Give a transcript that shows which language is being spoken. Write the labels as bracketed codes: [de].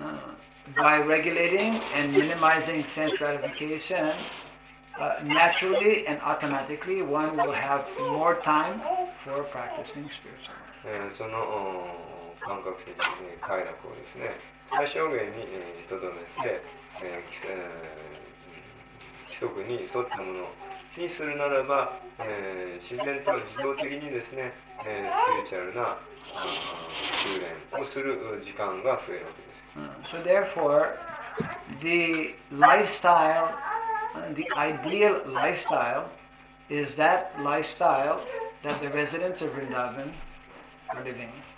[en] By regulating and minimizing sense gratification, naturally and automatically, one will have more time for practicing spiritual. [ja] その感覚的快楽をですね、最小限にとどめて。規則に沿ったものにするならば、自然と自動的にですね、スピリチュアルな修練をする時間が増えるわけです。 [en] So therefore, the lifestyle, the ideal lifestyle, is that lifestyle that the residents of Vrindavan are living.